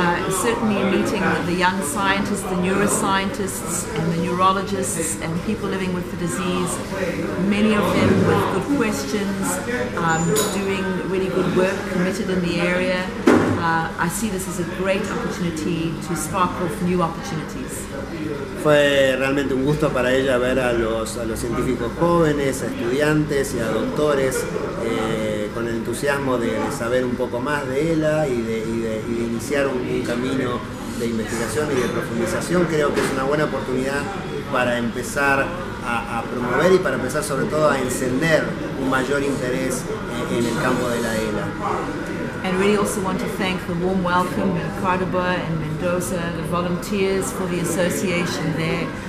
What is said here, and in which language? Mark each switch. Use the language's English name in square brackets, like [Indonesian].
[English] Certainly meeting the young scientists, the neuroscientists and the neurologists and people living with the disease, many of them with good questions, doing really good work, committed in the area. I see this as a great opportunity to spark off new opportunities. [Spanish] Fue realmente un gusto para ella ver a los científicos jóvenes, a estudiantes y a doctores con el entusiasmo de saber un poco más de ELA y de iniciar un camino de investigación y de profundización. Creo que es una buena oportunidad para empezar a promover y para empezar sobre todo a encender un mayor interés en el campo de la ELA. [English] And really also want to thank the warm welcome in Cordoba and Mendoza, the volunteers for the association there.